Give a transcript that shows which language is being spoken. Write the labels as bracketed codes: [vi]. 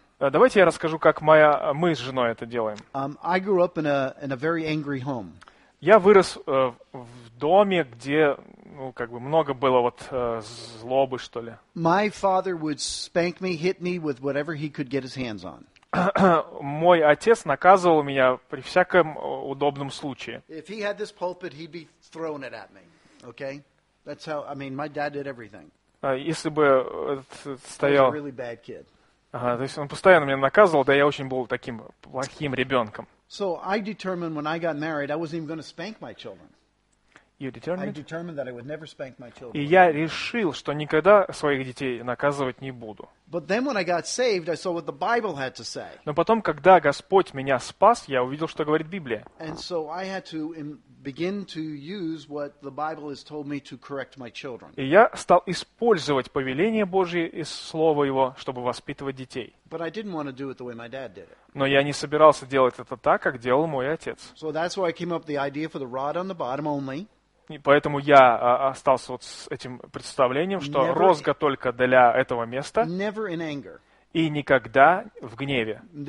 [ru] Давайте я расскажу, как мы с женой это делаем. [en] I grew up in a very angry home. [ru] Я вырос в доме, где ну, как бы много было вот, злобы, что ли. [en] My father would spank me, hit me with whatever he could get his hands on. [ru] Мой отец наказывал меня при всяком удобном случае. [en] If he had this pulpit, he'd be throwing it at me. Okay? That's how, I mean, my dad did everything. [ru] Если бы стоял... [en] He was a really bad kid. [ru] Ага, то есть он постоянно меня наказывал, да я очень был таким плохим ребенком. [en] So I determined when I got married, I wasn't even going to spank my children. [ru] И я решил, что никогда своих детей наказывать не буду. Но потом, когда Господь меня спас, я увидел, что говорит Библия. И я стал использовать повеление Божие и Слово Его, чтобы воспитывать детей. Но я не собирался делать это так, как делал мой отец. [en] So that's why I came up with the idea for the rod on the bottom only. [ru] Поэтому я остался вот с этим представлением, что розга только для этого места и никогда в гневе.